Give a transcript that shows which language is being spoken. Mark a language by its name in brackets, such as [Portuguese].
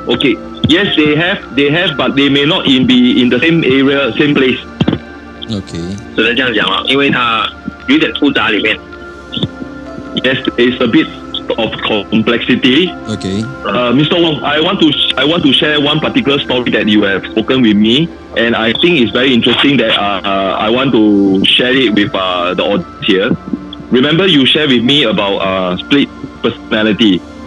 [English] Okay, yes, they have, but they may not be in the same area, same place. Okay, [Chinese] 只能这样讲了，因为它有点复杂里面。 [English] Yes, it's a bit of complexity. Okay. Mr. Wong, I want to share one particular story that you have spoken with me, and I think it's very interesting that I want to share it with the audience here. Remember, you share with me about split personality.